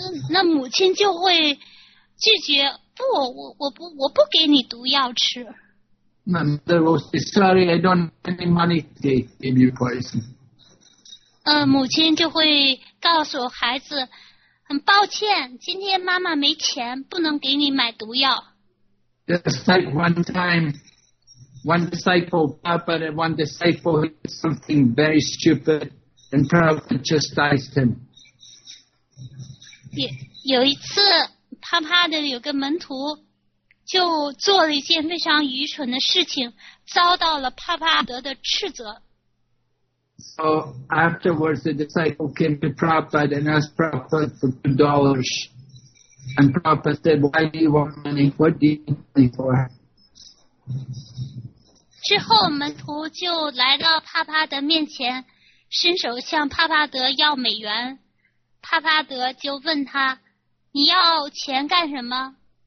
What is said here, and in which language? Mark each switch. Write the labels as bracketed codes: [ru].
[zh] 那母亲就会拒绝，不，我不给你毒药吃。 [en] My mother will say, "Sorry, I don't have any money to give you poison." [zh] 母亲就会告诉孩子，很抱歉，今天妈妈没钱，不能给你买毒药。 [en] Just like one time, one disciple, Papa, and one disciple did something very stupid, and Prabhupada chastised him. [zh] 有一次啪啪的有个门徒就做了一件非常愚蠢的事情遭到了啪啪德的斥责。 [en] So afterwards, the disciple came to Prabhupada and asked Prabhupada for $2. And Prabhupada said, why do you want money? What do you need money for? [zh] 之后门徒就来到帕帕德面前，伸手向帕帕德要美元。帕帕德就问他，你要钱干什么？